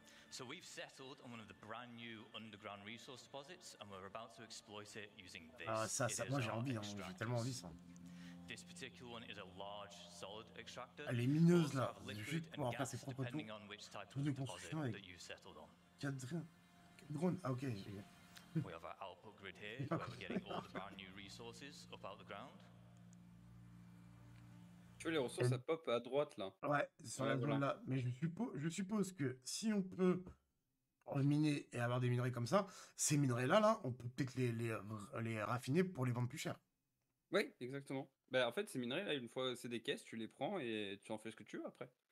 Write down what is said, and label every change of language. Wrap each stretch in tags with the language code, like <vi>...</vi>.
<en>So we've settled on one of the brand new underground resource deposits and we're about to exploit it using this.</en> <fr>Ça moi j'ai envie, hein, j'ai tellement envie ça.</fr> <en>This particular one is a large solid extractor.</en> <fr>Elle est mineuse là, juste pour faire ses propres tours. Tout de construction avec 4 drones. Ah ok, j'ai bien.</fr> <en>We have our output grid here where we're getting all the brand new resources up out the ground.</en> <fr>Tu vois, les ressources, elles pop à droite, là. Ouais, sur la zone là. Mais je suppose que si on peut miner et avoir des minerais comme ça, ces minerais-là, là, on peut peut-être les raffiner pour les vendre plus cher. Oui, exactement. Bah, en fait, ces minerais, là, une fois, c'est des caisses, tu les prends et tu en fais ce que tu veux après.</fr>